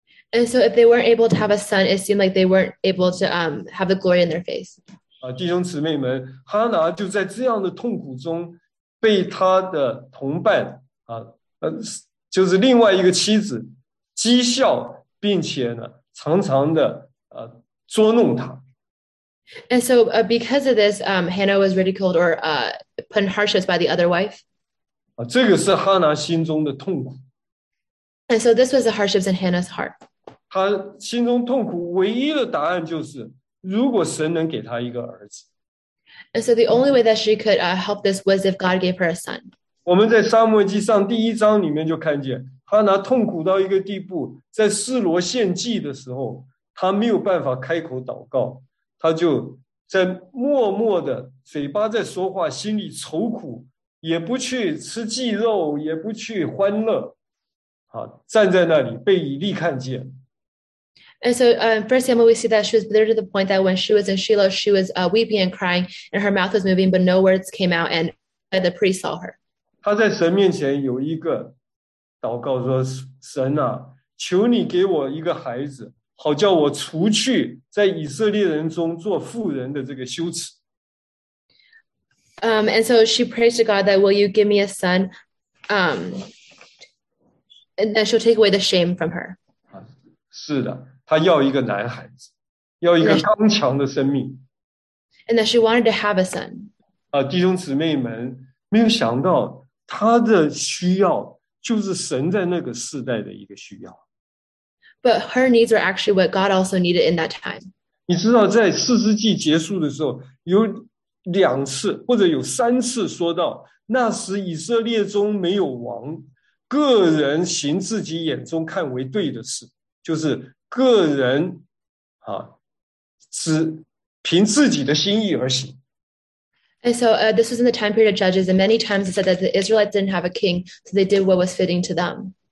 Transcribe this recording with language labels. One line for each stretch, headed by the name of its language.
English: And so if they weren't able to have a son, it seemed like they weren't able to have the glory in their face.
Chinese: 弟兄姊妹们，哈拿就在这样的痛苦中被他的同伴就是另外一个妻子讥笑，并且呢常常的捉弄他。
English: And so because of this, Hannah was ridiculed or put in harshness by the other wife.
Chinese: 这个是哈拿心中的痛苦。
English: And so this was the hardships in Hannah's heart.
Chinese: 他心中痛苦唯一的答案就是如果神能给他一个儿子。
English: And so the only way that she could help this was if God gave her a son.
Chinese: 我们在撒母耳记上第一章里面就看见哈拿痛苦到一个地步，在示罗献祭的时候他没有办法开口祷告，他就在默默的嘴巴在说话，心里愁苦，也不去吃祭肉，也不去欢乐，站在那里被以利看见。
English: And so first Samuel, we see that she was bitter to the point that when she was in Shiloh, she was weeping and crying, and her mouth was moving, but no words came out, and the priest saw her.
Chinese: 他在神面前有一个祷告说，神啊，求你给我一个孩子，好叫我除去在以色列人中做妇人的这个羞耻。
English: And so she prays to God that will you give me a son And then she'll take away the shame from her.
Chinese: 是的，她要一个男孩子，要一个刚强的生命。
English: And that she wanted to have a son.
Chinese: 弟兄姊妹们，没有想到她的需要就是神在那个世代的一个需要。
English: But her needs were actually what God also needed in that time.
Chinese: 你知道在四世纪结束的时候，有两次或者有三次说到，那时以色列中没有王，个人行自己眼中看为对的事，就是个人啊，只凭自己的心意而行。
English: And so, this was in the time period of Judges, and many times it said that the Israelites didn't have a king, so they did what was fitting to them.